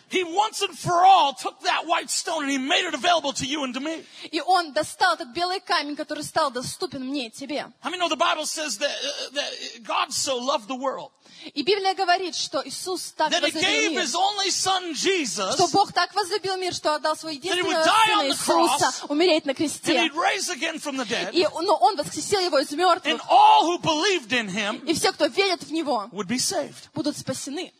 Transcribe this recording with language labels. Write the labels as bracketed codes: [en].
[en] he once and for all took that white stone and he made it available to you and to me. [ru] И он достал этот белый камень, который стал доступен мне и тебе. [en] How many know the Bible says that, that God so loved the world? [ru] И Библия говорит, что Иисус так возлюбил мир, [en] Jesus, [ru] что Бог так возлюбил мир, что отдал Своего единственного Сына Иисуса умереть на кресте. [en] Dead, [ru] и, но Он воскресил Его из мертвых. [en] Him, [ru] и все, кто верит в Него, будут спасены.